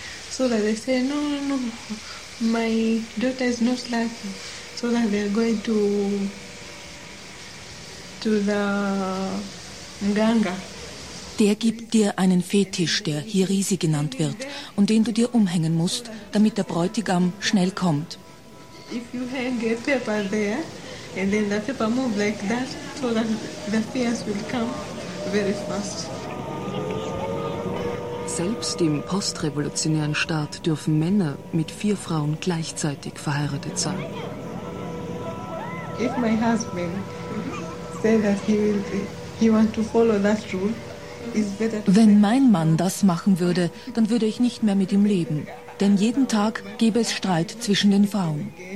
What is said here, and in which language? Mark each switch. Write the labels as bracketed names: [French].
[English] So that they say, no, my daughter is not like me. So that they are going to the Nganga. [German] Der gibt dir einen Fetisch, der Hirisi genannt wird, und den du dir umhängen musst, damit der Bräutigam schnell kommt. [English] If you hang a paper there, And then the paper moved like that, so that the fears will come very fast. [German] Selbst im postrevolutionären Staat dürfen Männer mit 4 Frauen gleichzeitig verheiratet sein. [English] If my husband said that he want to follow that rule, [German] wenn mein Mann das machen würde, dann würde ich nicht mehr mit ihm leben. Denn jeden Tag gäbe es Streit zwischen den Frauen.